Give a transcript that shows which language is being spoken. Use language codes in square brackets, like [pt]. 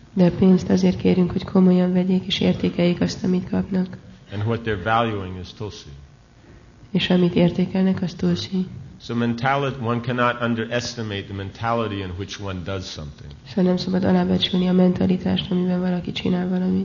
[hu] De pénzt azért kérünk, hogy komolyan vegyék és értékeljék azt, amit kapnak. [en] And what they're valuing is tulsi. [hu] És amit értékelnek, az tulsi. [en] So mentality, one cannot underestimate the mentality in which one does something. [hu] So nem szabad alábecsülni a mentalitást, amiben valaki csinál valamit.